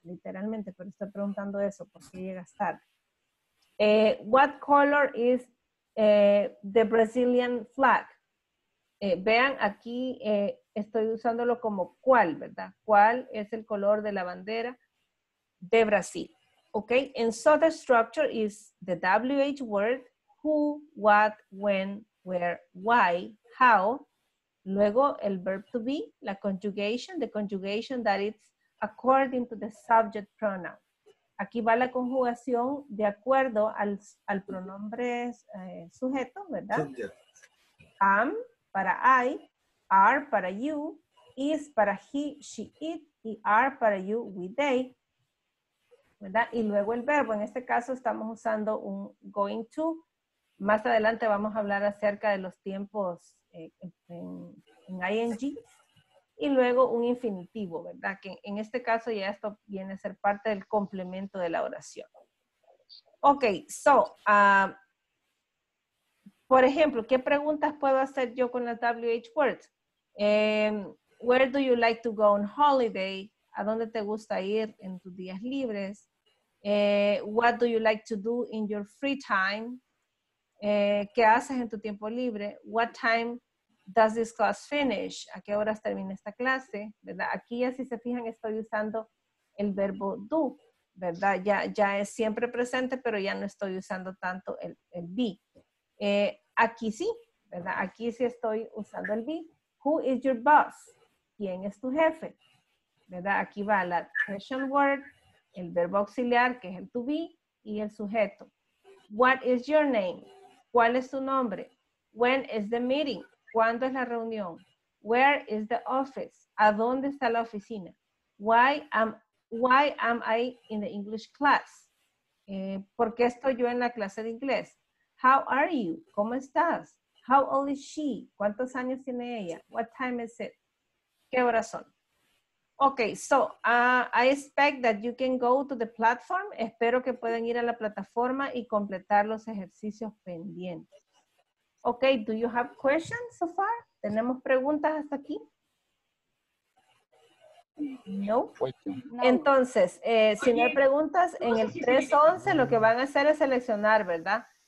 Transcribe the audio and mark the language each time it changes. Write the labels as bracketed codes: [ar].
[es] Literalmente, pero estoy preguntando eso. ¿Por qué llegas tarde? [en] What color is the Brazilian flag? [es] Vean, aquí estoy usándolo como cuál, ¿verdad? ¿Cuál es el color de la bandera de Brasil? [en] Ok, and so the structure is the WH word, who, what, when, where, why, how. [es] Luego el [en] verb to be, la conjugation, the conjugation that it's according to the subject pronoun. [es] Aquí va la conjugación de acuerdo al pronombre sujeto, ¿verdad? [en] Subject. Am para I, are para you, is para he, she, it, y are para you, we, they, ¿verdad? [es] Y luego el verbo. En este caso estamos usando un going to. Más adelante vamos a hablar acerca de los tiempos en ing. Y luego un infinitivo, ¿verdad? Que en este caso ya esto viene a ser parte del complemento de la oración. Ok, so, por ejemplo, ¿qué preguntas puedo hacer yo con las WH words? [en] Where do you like to go on holiday? [es] ¿A dónde te gusta ir en tus días libres? [en] What do you like to do in your free time? [es] ¿Qué haces en tu tiempo libre? [en] What time does this class finish? [es] ¿A qué horas termina esta clase? ¿Verdad? Aquí ya si se fijan estoy usando el verbo do, ¿verdad? Ya es siempre presente, pero ya no estoy usando tanto el be. Aquí sí, ¿verdad? Aquí sí estoy usando el be. [en] Who is your boss? [es] ¿Quién es tu jefe? ¿Verdad? Aquí va la question word, el verbo auxiliar, que es el to be, y el sujeto. [en] What is your name? [es] ¿Cuál es tu nombre? [en] When is the meeting? [es] ¿Cuándo es la reunión? [en] Where is the office? [es] ¿A dónde está la oficina? [en] Why am I in the English class? [es] ¿Por qué estoy yo en la clase de inglés? [en] How are you? [es] ¿Cómo estás? [en] How old is she? [es] ¿Cuántos años tiene ella? [en] What time is it? [es] ¿Qué horas son? [en] Okay, so I expect that you can go to the platform. [es] Espero que puedan ir a la plataforma y completar los ejercicios pendientes. [en] Ok, do you have questions so far? [es] ¿Tenemos preguntas hasta aquí? No. Entonces, si no hay preguntas, en el 311 lo que van a hacer es seleccionar, ¿verdad?